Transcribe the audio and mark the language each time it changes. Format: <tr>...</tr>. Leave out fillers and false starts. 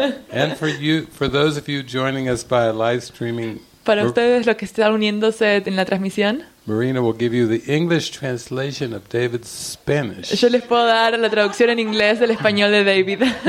<en>And for you, for those of you joining us by live streaming.</en> <es>Para ustedes los que están uniéndose en la transmisión.</es> <en>Marina will give you the English translation of David's Spanish.</en> <es>Yo les puedo dar la traducción en inglés del español de David.</es>